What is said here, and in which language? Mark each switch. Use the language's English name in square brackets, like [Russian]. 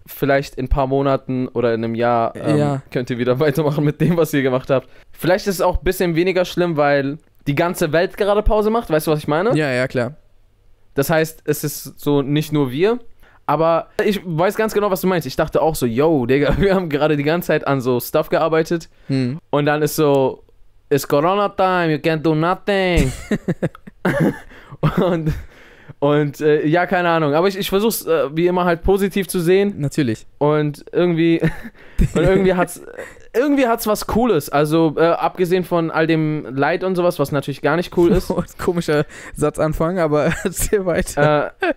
[German] Vielleicht in ein paar Monaten oder in einem Jahr könnt ihr wieder weitermachen mit dem, was ihr gemacht habt. Vielleicht ist es auch ein bisschen weniger schlimm, weil die ganze Welt gerade Pause macht. Weißt du, was ich meine? Ja, klar. Das heißt, es ist so nicht nur wir. Aber ich weiß ganz genau, was du meinst. Ich dachte auch so, yo, Digga, wir haben gerade die ganze Zeit an so Stuff gearbeitet. Hm. Und dann ist so... [English] It's Corona time, you can't do nothing. [German] und keine Ahnung. Aber ich versuche es wie immer halt positiv zu sehen. Natürlich. Und irgendwie hat's was Cooles. Also abgesehen von all dem Leid und sowas, was natürlich gar nicht cool ist. Komischer Satzanfang, aber erzähl weiter.